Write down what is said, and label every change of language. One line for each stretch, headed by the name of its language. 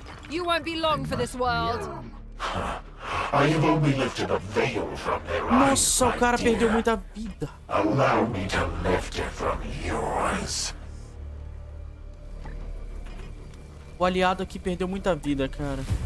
English: You won't be long for this world.
Portuguese: Nossa, o cara perdeu muita vida.
English: Allow me to lift it from yours.
Portuguese: O aliado aqui perdeu muita vida, cara.